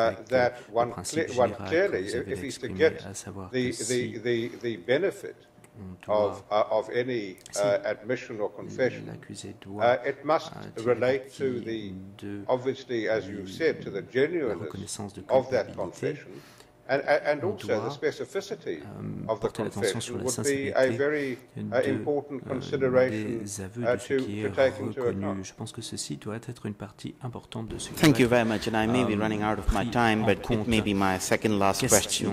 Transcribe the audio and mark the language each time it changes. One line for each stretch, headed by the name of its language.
English: that one clearly, if he's to get the benefit of any admission or confession, it must relate to the, obviously, as you said, to the genuineness of that confession, and also the specificity of the confession would be a very important consideration to take into account.
French: Je pense que ceci doit être une partie importante de ce.
English: Thank you very much, and I may be running out of my time, but it may be my second last question.